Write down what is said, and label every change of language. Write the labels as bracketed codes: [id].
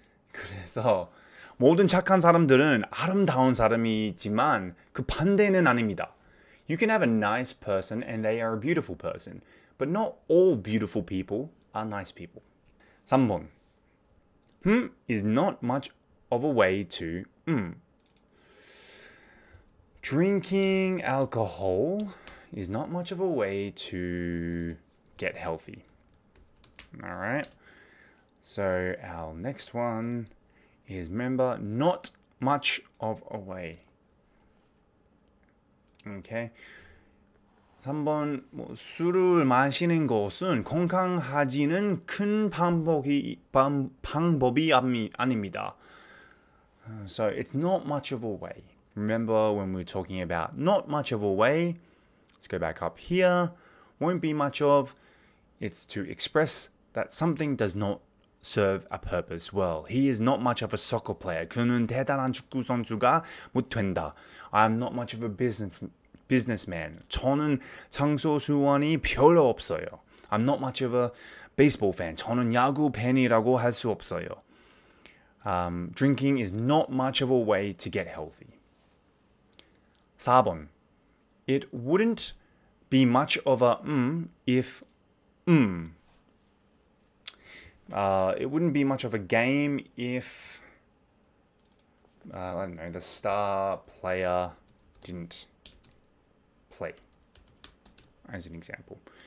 [ko] 그래서 모든 착한 사람들은 아름다운 사람이지만 그 반대는 아닙니다. [en] You can have a nice person and they are a beautiful person, but not all beautiful people are nice people. [ko] 3번. [en] Is not much of a way to Drinking alcohol is not much of a way to get healthy. Alright. So our next one is remember, not much of a way. Okay. [ko] 3번, 뭐, 술을 마시는 것은 건강하지는 큰 방법이 아닙니다. [en] So it's not much of a way. Remember when we're talking about not much of a way, let's go back up here, won't be much of, it's to express that something does not serve a purpose well. He is not much of a soccer player. [ko] 그는 대단한 축구 선수가 못 된다. [en] I'm not much of a businessman. [ko] 저는 장소 수원이 별로 없어요. [en] I'm not much of a baseball fan. [ko] 저는 야구 팬이라고 할 수 없어요. [en] Drinking is not much of a way to get healthy. [ko] 4번. [en] It wouldn't be much of a if it wouldn't be much of a game if I don't know, the star player didn't play as an example.